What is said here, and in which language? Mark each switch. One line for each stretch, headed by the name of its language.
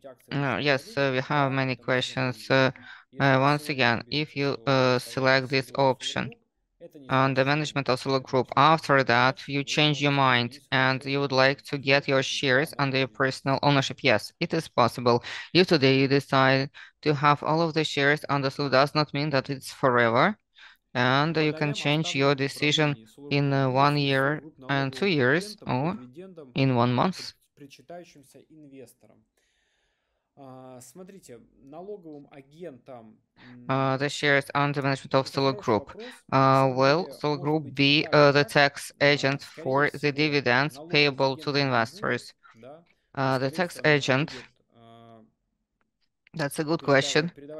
English: Yes, we have many questions. Once again, if you select this option on the management of SOLARGROUP, after that you change your mind and you would like to get your shares under your personal ownership, yes, it is possible. If today you decide to have all of the shares under SOLARGROUP, does not mean that it's forever. And you can change your decision in 1 year and 2 years, or in 1 month.
Russian: Причитающимся инвесторам. Смотрите, налоговым агентам.
English: The shares under management of SOLARGROUP. Will SOLARGROUP be the tax agent for the dividends payable to the investors? The tax agent. That's a good question.